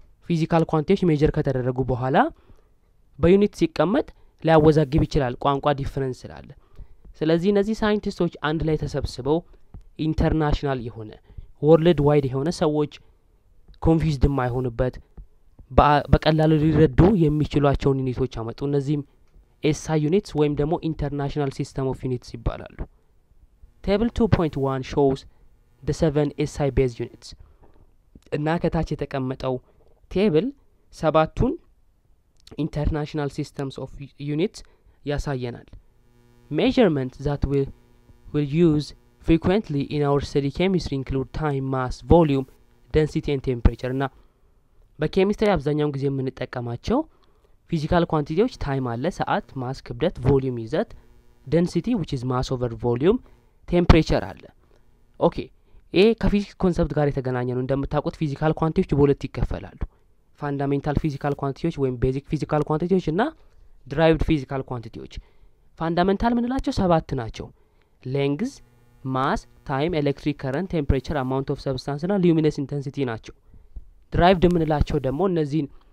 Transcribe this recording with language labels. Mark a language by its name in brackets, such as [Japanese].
[Amharic] physical quantities measure ከተደረጉ በኋላ በዩኒት ሲቀመጥ ሊያወዛግብ ይችላል ቋንቋ ዲፈረንስ ይላል ስለዚህ እነዚህ ሳይንቲስቶች አንድ ላይ ተሰብስበው ኢንተርናሽናል የሆነ ወርልድ ዋይድ የሆነ ሰዎች ኮንፊውዝድ ማይሆኑበት በቀላሉ ሊረዱ የሚችሏቸው ዩኒቶች አመጡ እነዚህም SI units ወይም ደግሞ [English] international system of units [Amharic] ይባላሉ [English] Table 2.1 shows the 7 SI base units. [Amharic] እና ከታች የተቀመጠው ቴብል 7ቱን [English] international systems of units [Amharic] ያሳየናል. [English] Measurements that we will use frequently in our study chemistry include time, mass, volume, density and temperature. [Amharic] እና በኬሚስትሪ አብዛኛውን ጊዜ የምንጠቀማቸው physical quantities time አለ ሰዓት, mass ክብደት, volume ይዘት, density [English] which is mass over volume. [Amharic] temperature አለ ኦኬ ይሄ ከፊዚክስ ኮንሰፕት ጋር የተገናኘ ነው እንደምታውቁት ፊዚካል ኳንቲቲዎች በሁለት ይከፈላሉ ፋንዳሜንታል ፊዚካል ኳንቲቲዎች ወይም ቤዚክ ፊዚካል ኳንቲቲዎች እና ድራይቭድ ፊዚካል ኳንቲቲዎች ፋንዳሜንታል ምንላቸው ሰባት ናቸው ሌንግዝ ማስ ታይም ኤሌክትሪክ ከረንት ቴምፕሬቸር አማውንት ኦፍ ሰብስታንስ እና ሉሚነስ ኢንተንሲቲ ናቸው ድራይቭድ ምንላቸው ደግሞ እነዚህ